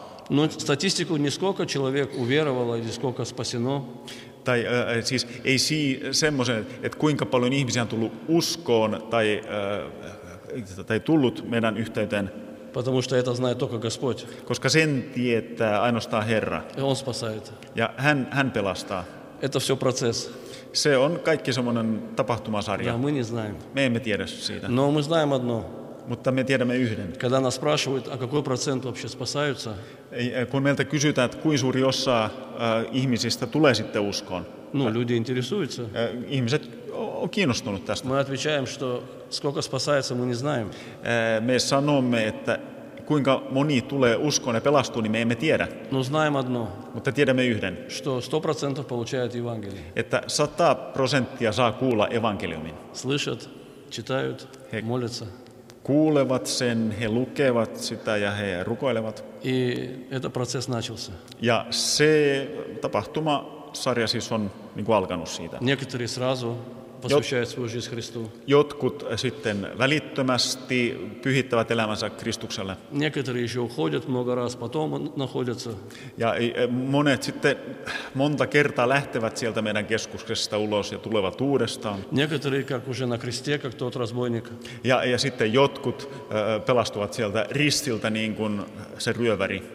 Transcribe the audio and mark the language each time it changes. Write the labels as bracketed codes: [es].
[ru] Ну, статистику не сколько человек уверовало или сколько спасено. [fi] Tai siis ei semmoisen, että kuinka paljon ihmisiä on tullut uskoon tai tai tullut meidän yhteyteen. [ru] Потому что это знает только Господь. [fi] Koska sen tietää ainoastaan Herra. [ru] И он спасает. [fi] Ja hän pelastaa. [ru] Это все процесс. [fi] Se on kaikki semmoinen tapahtumasarja. [ru] Да, мы не знаем. [fi] Me emme tiedä siitä. [ru] Но мы знаем одно. [fi] Mutta me tiedämme yhden. [ru] Когда нас спрашивают, а какой процент вообще спасаются? [fi] Kun meiltä kysytään, että kuinka suuri osa ihmisistä tulee sitten uskoon. [ru] Ну, люди интересуются. [fi] Ihmiset on kiinnostunut tästä. [ru] Мы отвечаем, что сколько спасается, мы не знаем. [fi] Me sanomme, että kuinka moni tulee uskoon ja pelastuu, niin me emme tiedä. [ru] Но знаем одно. [fi] Mutta tiedämme yhden. [ru] Что 100% получают евангелие. [fi] Että 100% saa kuulla evankeliumin. [ru] Слышат, читают, молятся. [fi] Kuulevat sen, he lukevat sitä ja he rukoilevat. [ru] И этот процесс начался. [fi] Ja se tapahtuma sarja siis on niin kuin alkanut siitä. [ru] Некоторые сразу посвящают свою жизнь Христу. [fi] Jotkut sitten välittömästi pyhittävät elämänsä Kristukselle. [ru] Некоторые еще уходят много раз, потом находятся. [fi] Ja monet sitten monta kertaa lähtevät sieltä meidän keskuksesta ulos ja tulevat uudestaan. [ru] Некоторые как уже на кресте, как тот разбойник. [fi] Ja sitten jotkut pelastuvat сieltä ristiltä niin kuin se ryöväri.